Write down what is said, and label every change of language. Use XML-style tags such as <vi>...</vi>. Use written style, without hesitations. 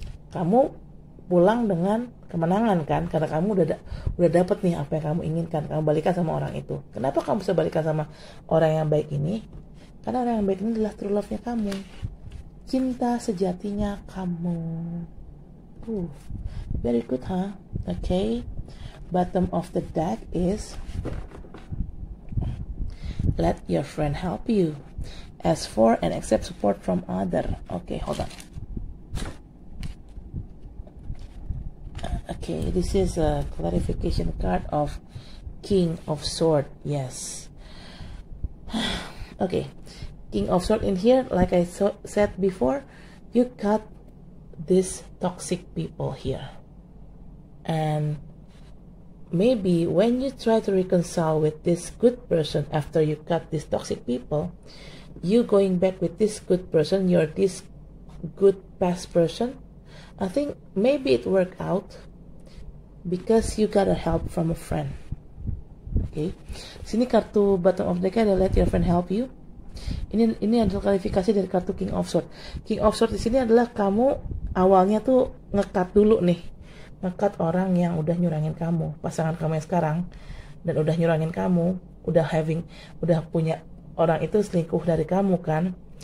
<id>Kamu pulang dengan kemenangan kan, karena kamu udah dapet nih apa yang kamu inginkan. Kamu balikan sama orang itu. Kenapa kamu bisa balikan sama orang yang baik ini? Karena orang yang baik ini adalah true love-nya kamu, cinta sejatinya kamu.</id> <en>Very good, huh? Okay. Bottom of the deck is let your friend help you. Ask for and accept support from other. Okay, hold on. Okay, this is a clarification card of King of Sword. Yes. Okay, King of Sword in here, like I said before, you cut these toxic people here. And maybe when you try to reconcile with this good person after you cut these toxic people, you going back with this good person, you're this good past person, I think maybe it worked out because you got a help from a friend. Okay.</en> <id>Sini kartu bottom of the deck ada let your friend help you. Ini adalah kualifikasi dari kartu King of Swords. King of Swords di sini adalah kamu awalnya tuh ngekat dulu nih. Ngekat orang yang udah nyurangin kamu, pasangan kamu yang sekarang dan udah nyurangin kamu, udah punya orang itu selingkuh dari kamu kan.</id>